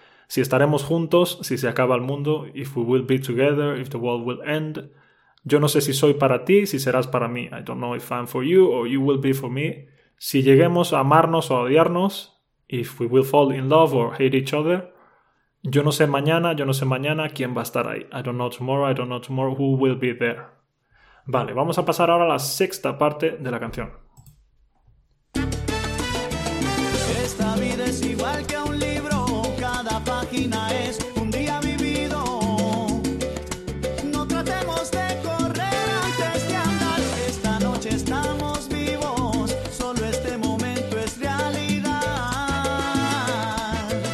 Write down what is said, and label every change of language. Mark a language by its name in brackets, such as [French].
[Spanish] Si estaremos juntos, si se acaba el mundo, [English] if we will be together, if the world will end. [Spanish] Yo no sé si soy para ti, si serás para mí, [English] I don't know if I'm for you or you will be for me. [Spanish] Si lleguemos a amarnos o a odiarnos, [English] if we will fall in love or hate each other. [Spanish] Yo no sé mañana, yo no sé mañana, ¿quién va a estar ahí? [English] I don't know tomorrow, I don't know tomorrow, who will be there? [Spanish] Vale, vamos a pasar ahora a la sexta parte de la canción. Esta vida es igual que un libro, cada página es un día vivido. No tratemos de correr antes de andar, esta noche estamos vivos, solo este momento es realidad.